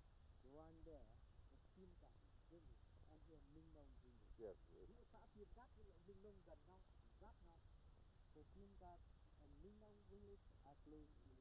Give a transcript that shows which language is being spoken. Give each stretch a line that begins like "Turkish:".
English: The one there, the Kim Tạng Village, and the Mingdong Village. Yes.
Vietnamese: Giữa xã Kiệt Tắc với lại Mingdong gần nhau, giáp nhau.
English: The Kim Tạng and Mingdong Village are close.